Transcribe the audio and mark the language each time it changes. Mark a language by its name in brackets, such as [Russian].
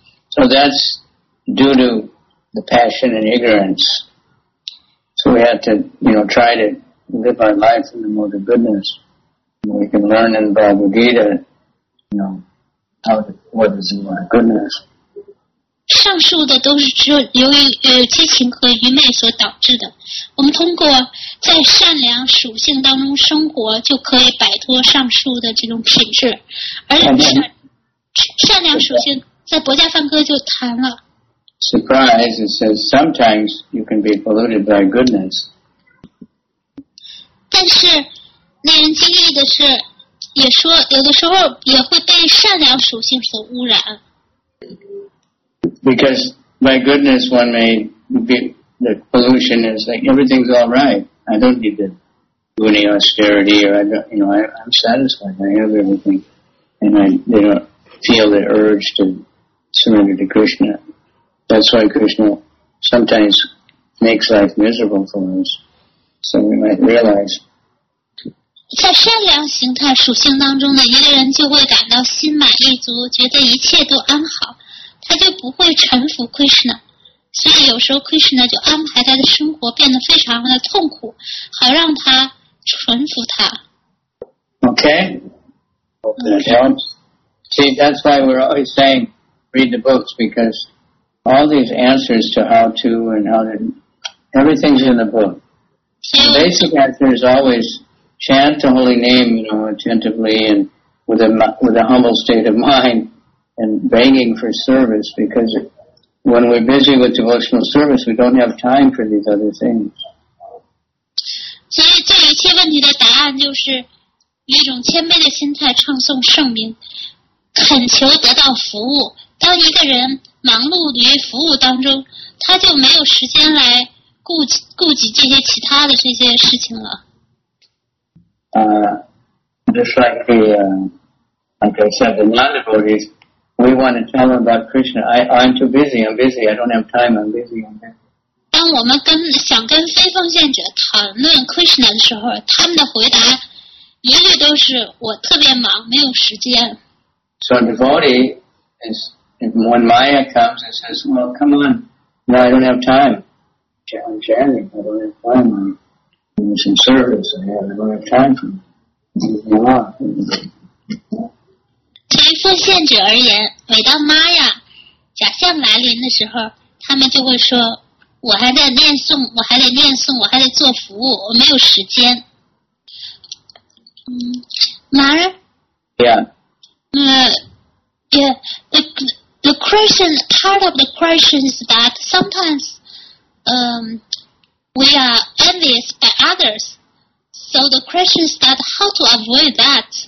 [English] So that's due to the passion and ignorance. So we have to, you know, try to live our life in the mode of goodness. We can learn in Bhagavad Gita, you know, what is in our goodness. [Chinese] 上述的都是由于激情和愚昧所导致的。我们通过在善良属性当中生活，就可以摆脱上述的这种品质。而善良属性在博迦梵歌就谈了。 [English] Surprise, it says sometimes you can be polluted by goodness. [Chinese] 但是令人惊异的是，也说有的时候也会被善良属性所污染。 [English] Because by goodness one may be, the pollution is like everything's all right. I don't need to do any austerity or I don't, you know, I'm satisfied. I have everything. And I, you know, feel the urge to surrender to Krishna. That's why Krishna sometimes makes life miserable for us. So we might realize. [Chinese] 在善良形态属性当中呢，一个人就会感到心满意足，觉得一切都安好。他就不会臣服 Krishna， 所以有时候 Krishna 就安排他的生活变得非常的痛苦，好让他臣服他。 [English] Okay, hope that helps. See, that's why we're always saying read the books, because all these answers to how to and how to, everything's in the book. The basic answer is always chant the holy name, you know, attentively and with a humble state of mind. And begging for service, because when we're busy with devotional service, we don't have time for these other things. [Chinese] So, 这一切问题的答案就是一种谦卑的心态，唱诵圣名，恳求得到服务。当一个人忙碌于服务当中，他就没有时间来顾及这些其他的这些事情了。 [English] Just like the, like I said, the non-devotees. We want to tell them about Krishna. I'm too busy. I'm busy. I don't have time. I'm busy. I'm busy. [Chinese] 当我们想跟非奉献者谈论 Krishna 的时候，他们的回答一律都是我特别忙，没有时间。 [English] So a devotee is when Maya comes and says, "Well, come on, no, I don't have time. I'm chanting. I don't have time. I'm in some service. I don't have time for anything else." [Chinese] 奉献者而言，每当玛雅假象来临的时候，他们就会说：“我还在念诵，我还得念诵，我还得做服务，我没有时间。” [English] Mara? Yeah. The question, part of the question is that sometimes, we are envious by others. So the question is that how to avoid that?